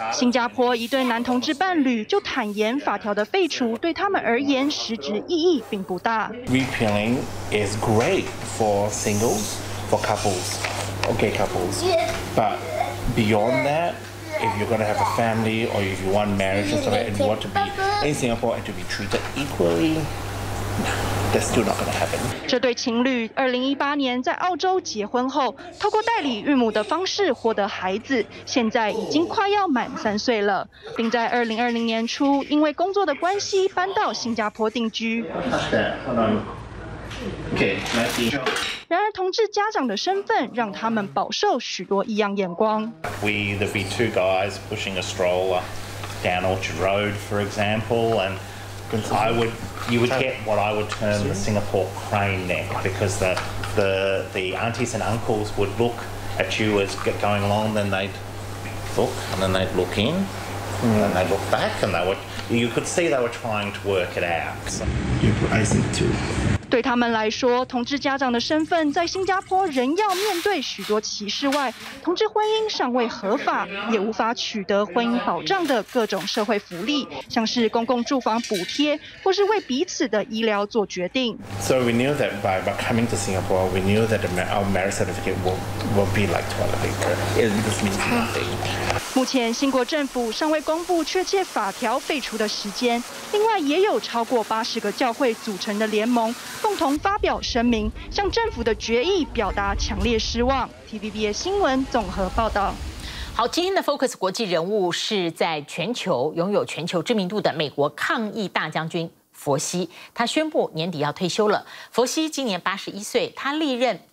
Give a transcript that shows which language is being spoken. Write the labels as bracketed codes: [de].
[zh] 新加坡一对男同志伴侣就坦言，法条的废除对他们而言实质意义并不大。 [en] Repealing is great for singles, for couples, okay, couples. But beyond that, if you're going to have a family or if you want marriage and stuff, and you want to be in Singapore and to be treated equally. That's still not gonna happen. [zh] 这对情侣2018年在澳洲结婚后，透过代理孕母的方式获得孩子，现在已经快要满三岁了，并在2020年初因为工作的关系搬到新加坡定居。然而，同志家长的身份让他们饱受许多异样眼光。 [en] We the V2 guys pushing a stroller down Orchard Road, for example, and you would get what I would term the Singapore crane neck because the aunties and uncles would look at you as going along, then they'd look, and then they'd look in, and they'd look back, and you could see they were trying to work it out. You're rising too. [zh] 对他们来说，同志家长的身份在新加坡仍要面对许多歧视外，同志婚姻尚未合法，也无法取得婚姻保障的各种社会福利，像是公共住房补贴，或是为彼此的医疗做决定。 [en] So we knew that by coming to Singapore, we knew that our marriage certificate will be like toilet paper. It just means nothing. [zh] 目前新国政府尚未公布确切法条废除的时间，另外也有超过80个教会组成的联盟。共同发表声明，向政府的决议表达强烈失望。 TVBS 新闻综合报道。好，今天的 Focus 国际人物是在全球拥有全球知名度的美国抗疫大将军佛西，他宣布年底要退休了。佛西今年81岁，他历任